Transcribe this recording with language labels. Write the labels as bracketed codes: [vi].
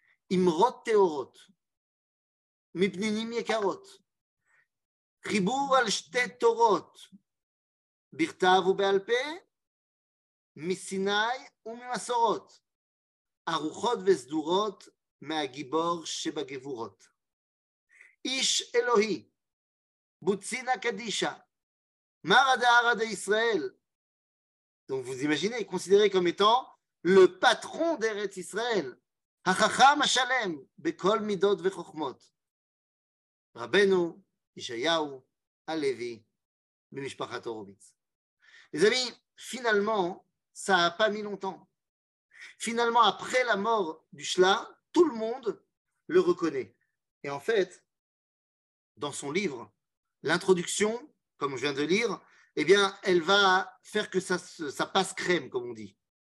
[he] Imrot teorot, mipninim yekarot, ribur al shte torot, birtav ou bealpe, מסיני וממסורות, ארוחות וסדורות מהגיבור שבגבורות. איש אלוהי, בוצינה קדישה, מרא דארא דישראל. [fr] Donc vous imaginez, considéré comme étant le patron d'Eretz Israël, [he] החכם השלם בכל מידות וחוכמות. רבנו, ישעיהו, הלוי, במשפחת הורוביץ. [fr] Les amis, finalement, ça n'a pas mis longtemps. Finalement, après la mort du Shla, tout le monde le reconnaît. Et en fait, dans son livre, l'introduction, comme je viens de lire, eh bien, elle va faire que ça passe crème, comme on dit.